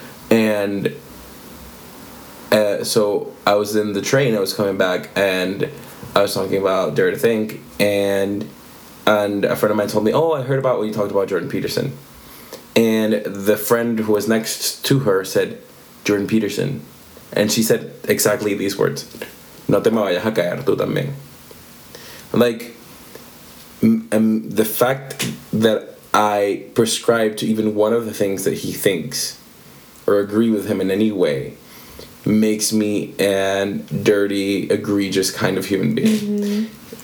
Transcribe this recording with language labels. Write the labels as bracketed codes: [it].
[en] And so I was in the train, I was coming back, and I was talking about Dare to Think, and a friend of mine told me, oh, I heard about what you talked about Jordan Peterson. And the friend who was next to her said, Jordan Peterson. And she said exactly these words. [es] No te me vayas a caer tú también. [en] Like, the fact that I prescribe to even one of the things that he thinks or agree with him in any way makes me an dirty, egregious kind of human being. Mm-hmm.